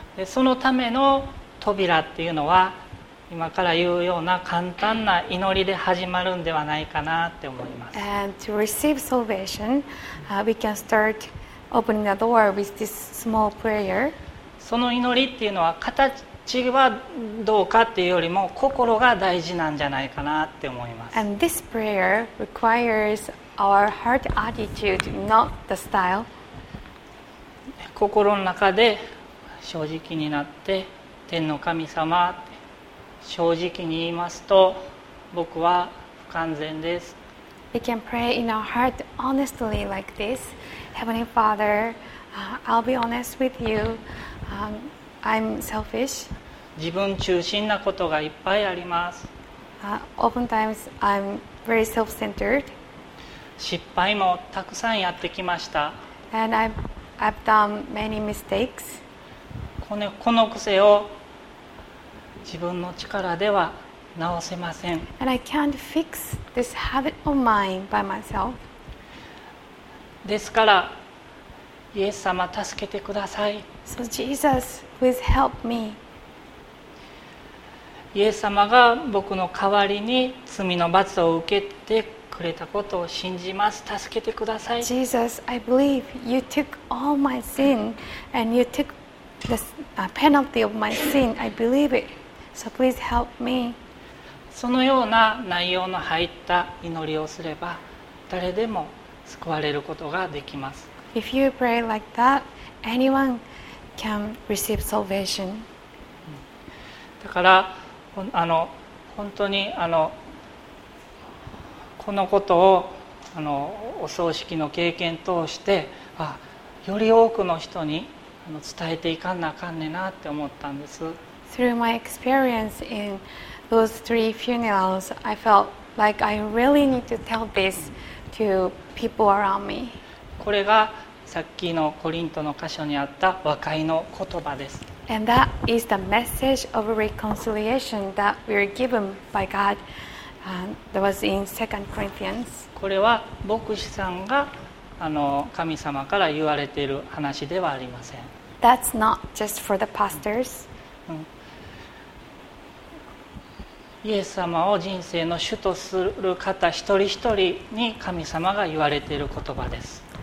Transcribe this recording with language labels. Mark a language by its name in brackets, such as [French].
[Japanese] そのための扉っていうのは今から言うような簡単な祈りで始まるんではないかなって思います。 [English] And to receive salvation, we can start opening the door with this small prayer. [Japanese] その祈りっていうのは形血はどうかっていうよりも心が大事なんじゃないかなって思います。 [English] And this prayer requires our heart attitude, not the style. [Japanese] 心の中で正直になって、天の神様、正直に言いますと、僕は不完全です。 [English] We can pray in our heart honestly like this. Heavenly Father, I'll be honest with you. I'm selfish. [Japanese] 自分中心なことがいっぱいあります。 [English] Oftentimes I'm very self-centered. [Japanese] 失敗もたくさんやってきました。 [English] And I've done many mistakes. [Japanese] この癖を自分の力では直せません。 [English] And I can't fix this habit of mine by myself. [Japanese] ですから、イエス様助けてください。 [English] So Jesus, please help me. [Japanese] イエス様が僕の代わりに罪の罰を受けてくれたことを信じます。助けてください。 [English] Jesus, I believe you took all my sin and you took the penalty of my sin. I believe it. So please help me. [Japanese] そのような内容の入った祈りをすれば誰でも救われることができます。 [English] If you pray like that, anyone can receive salvation. [Japanese] だから本当にこのことをお葬式の経験通してより多くの人に伝えていかなあかんねなって思ったんです。 [English] Through my experience in those three funerals, I felt like I really need to tell this to people around me. [Japanese] これがさっきのコリントの箇所にあった和解の言葉です。 [English] And that is the message of reconciliation that we are given by God. That was in 2 Corinthians. [Japanese] これは牧師さんが神様から言われている話ではありません。 [English] That's not just for the pastors. [Japanese] イエス様を人生の主とする方一人一人に神様が言われている言葉です。